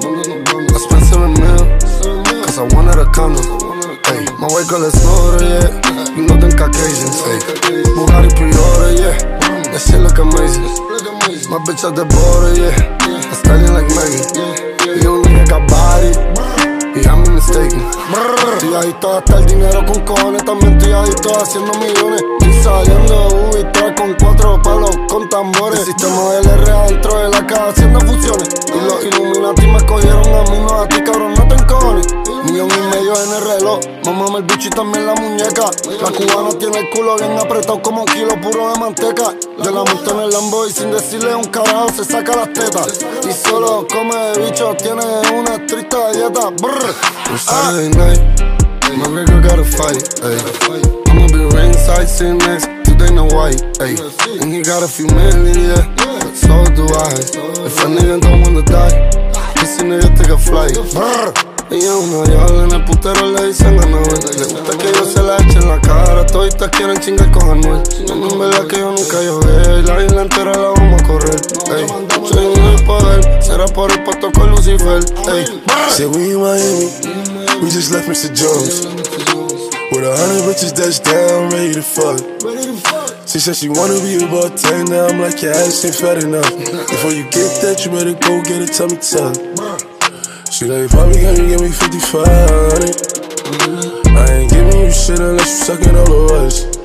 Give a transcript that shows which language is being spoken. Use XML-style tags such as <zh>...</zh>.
<en>I spent 7 mil, cause I wanted a condo. My white girl is older, yeah. You know them Caucasians, ayy. Bugatti pre-order, yeah. That shit look amazing. My bitch at the border, yeah. I'm styling like Megan. You don't think I got body? Yeah, I'm mistaken.</en> <es>Estoy adicto a gastar dinero con cojones. También estoy adicto a haciendo millones. Y saliendo de Ubi 3 con 4 palos con tambores. El sistema del R adentro de la caja haciendo fusiones. Y los Illuminati me cogieron a mí, no a ti, cabrón, no te encojones. Millón y medio en el reloj. Mamame el bicho y también la muñeca. La cubana tiene el culo bien apretado como un kilo puro de manteca. Yo la monto en el Lambo y sin decirle un carajo se saca las tetas. Y solo come de bicho, tiene una triste dieta.</es> <en>On Saturday night, my nigga got a fight, ayy. I'ma be ringside sitting next to Dana White, ayy. And he got a few million, yeah, but so do I. If a nigga don't wanna die, this nigga take a flight.</en> <es>Y a una diabla en el putero le dicen a Noel. Le gusta que yo se la eche en la cara. Toditas quieren chingar con Anuel. No, en verdad que yo nunca llogué. La isla entera la vamos a correr. Ey, soy un del poder. Será por el pato con Lucifer. Ey,</es> <en>say we in Miami, we just left Mr. Jones. With 100 bitches that's down, ready to fuck. She said she wanna be a bartender. I'm like, your ass ain't fat enough. Before you get that, you better go get a tummy tuck. She like, probably got you give me 5500. I ain't giving you shit unless you sucking on the rush.</en>